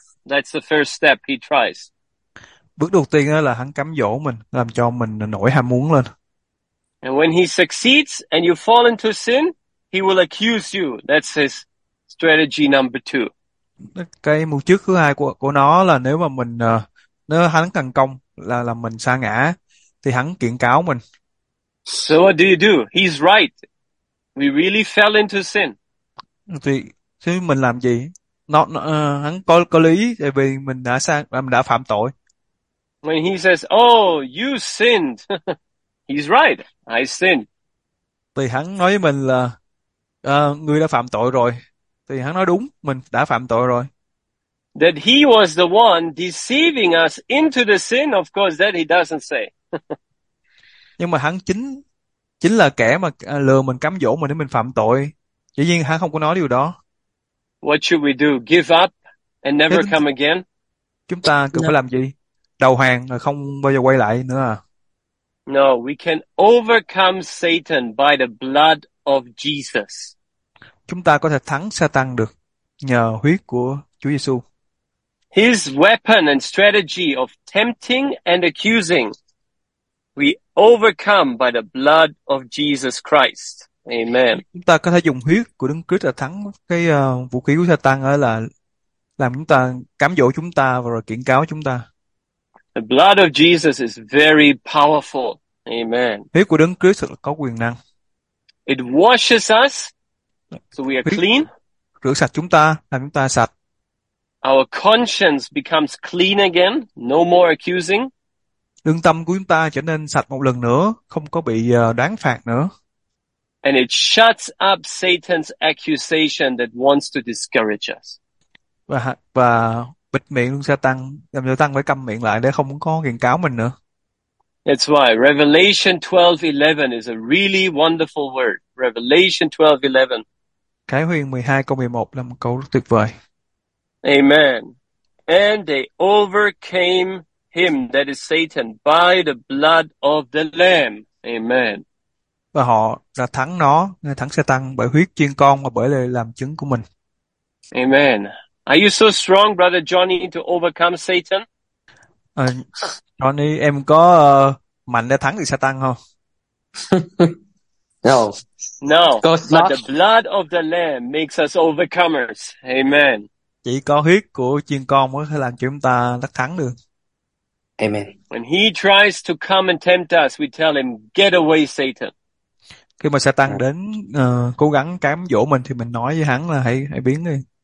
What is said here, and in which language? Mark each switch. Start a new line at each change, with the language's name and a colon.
English: That's the first step he tries.
Vietnamese: Bước đầu tiên là hắn cám dỗ mình, làm cho mình nổi ham muốn lên.
English: And when he succeeds and you fall into sin, he will accuse you. That's his strategy number two.
Vietnamese: Cái mục trước thứ hai của nó là nếu mà mình nếu hắn thành công là mình sa ngã thì hắn kiện cáo mình.
English: So what do you do? He's right. We really fell into sin.
Vietnamese: Thì mình làm gì? Hắn có lý tại vì mình đã phạm tội.
English: When he says, "Oh, you sinned." He's right. I sinned.
Vietnamese: Thì hắn nói với mình là người đã phạm tội rồi. Thì hắn nói đúng, mình đã phạm tội rồi.
English: That he was the one deceiving us into the sin, of course, that he doesn't say.
Vietnamese: Nhưng mà hắn chính là kẻ mà lừa mình, cám dỗ mình để mình phạm tội. Dĩ nhiên hắn không có nói điều đó.
English: What should we do? Give up and never come again?
Vietnamese: Chúng ta cần phải làm gì? Đầu hàng là không bao giờ quay lại nữa à?
English: No, we can overcome Satan by the blood of Jesus.
Vietnamese: Chúng ta có thể thắng Satan được nhờ huyết của Chúa Giêsu.
English: His weapon and strategy of tempting and accusing, we overcome by the blood of Jesus Christ. Amen.
Vietnamese: Chúng ta có thể dùng huyết của Đấng Christ là thắng cái vũ khí của Satan ở là làm chúng ta cám dỗ chúng ta và rồi kiện cáo chúng ta.
English: The blood of Jesus is very powerful. Amen.
Vietnamese: Huyết của Đấng Christ là có quyền năng.
English: It washes us. So we are clean.
Vietnamese: Rửa sạch chúng ta, làm chúng ta sạch.
English: Our conscience becomes clean again, no more accusing.
Vietnamese: Lương tâm của chúng ta trở nên sạch một lần nữa, không có bị đáng phạt nữa.
English: And it shuts up Satan's accusation that wants to discourage us.
Vietnamese: Và bịt miệng luôn Satan, làm Satan phải câm miệng lại để không có kiện cáo mình nữa.
English: That's why Revelation 12:11 is a really wonderful word. Revelation 12:11.
Vietnamese: Khải Huyền 12 câu 11 là một câu rất tuyệt vời.
English: Amen. And they overcame him, that is Satan, by the blood of the Lamb. Amen.
Vietnamese: Và họ đã thắng nó, thắng Satan bởi huyết chiên con và bởi lời làm chứng của mình.
English: Amen. Are you so strong, Brother Johnny, to overcome Satan?
Vietnamese: Johnny, em có mạnh để thắng được Satan không?
English: No. No, but the blood of the Lamb makes us overcomers. Amen.
Vietnamese: Chỉ có huyết của chiên con mới có làm cho chúng ta đắc thắng được.
English: Amen. When he tries to come and tempt us, we tell him, "Get away, Satan."
Vietnamese: Khi mà Satan đến cố gắng cám dỗ mình thì mình nói với hắn là hãy biến đi.